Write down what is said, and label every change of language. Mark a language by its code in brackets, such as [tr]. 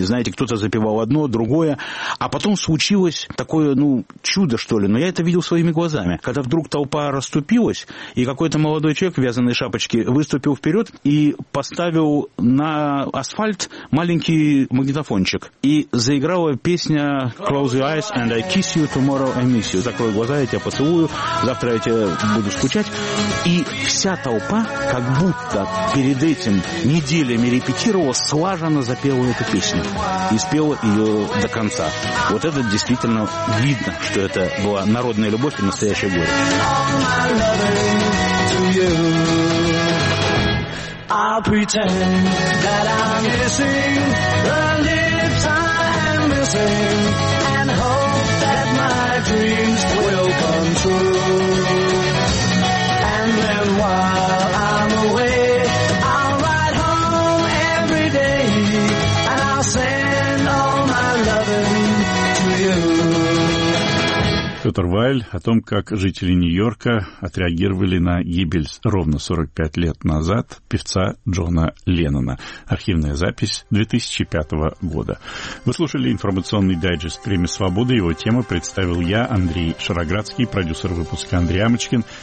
[ru] Знаете, кто-то запевал одно, другое. А потом случилось такое, ну, чудо, что ли. Но я это видел своими глазами. Когда вдруг толпа расступилась, и какой-то молодой человек в вязаной шапочке выступил вперед и поставил на асфальт маленький магнитофончик. И заиграла песня [en] «Close your eyes and I kiss you, tomorrow I miss you». [ru] «Закрой глаза, я тебя поцелую, завтра я тебя буду скучать». И вся толпа как будто перед этим неделями репетировала, слаженно запела эту песню. И спела ее до конца. Вот это действительно видно, что это была народная любовь и настоящая горе. [en] I'll pretend that I'm missing the lips I'm missing and hope that my dreams will come true. And then while I'm away, I'll write home every day and I'll send all my loving to you. [ru] Петр Вайль о том, как жители Нью-Йорка отреагировали на гибель ровно 45 лет назад певца Джона Леннона. Архивная запись 2005 года. Вы слушали информационный дайджест «Время свободы». Его тему представил я, Андрей Шароградский, продюсер выпуска Андрей Амочкин.